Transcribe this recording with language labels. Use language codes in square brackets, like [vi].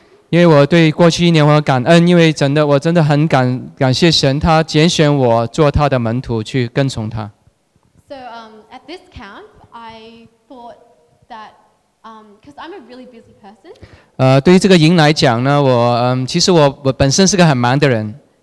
[zh] 因为我对过去一年我感恩，因为真的我真的很感谢神，他拣选我做他的门徒去跟从他。 [en] So at this camp, I thought that because I'm a really busy person. [zh] 对于这个营来讲呢，我其实我本身是个很忙的人。